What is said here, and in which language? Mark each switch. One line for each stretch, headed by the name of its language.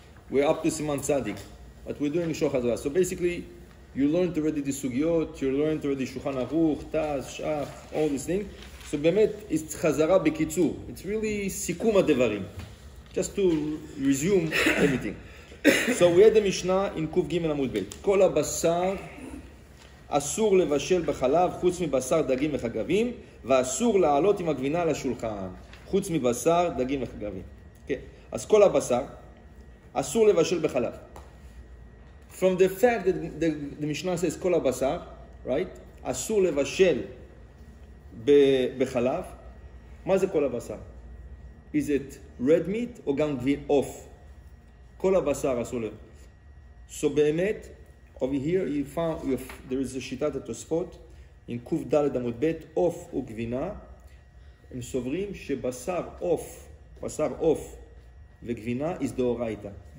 English: We're up to Siman Tzadik, but we're doing Shor Chazara. So basically, you learned already the Sugiyot, you learned already Shulchan Aruch, Taz, Shach, all these things. So Bemet, it's Chazara Bekitzur. It's really Sikum HaDevarim, just to resume everything. So we had the Mishnah in Kuf Gimel Amud Bet.
Hebrew: Kol HaBasar Asur Levashel B'Chalav Chutz MiBasar Dagim V'Chagavim ואסור לעלות עם הגבינה לשולחן, חוץ מבשר, דגים וחגבים. כן. אז כל הבשר, אסור לבשל בחלב.
English: From the fact that the Mishnah says כל הבשר, right?
Hebrew: אסור לבשל בחלב. מה זה כל הבשר?
English: Is it red meat or
Hebrew: גם עוף? כל הבשר אסור לב.
English: So באמת, over here you found, if there is a שיטת התוספות, in Kuf Dalet Amud Bet, Of Ugvina, and Sovrim Shebasar Of, Basar Of, Vegvina is the Oraita.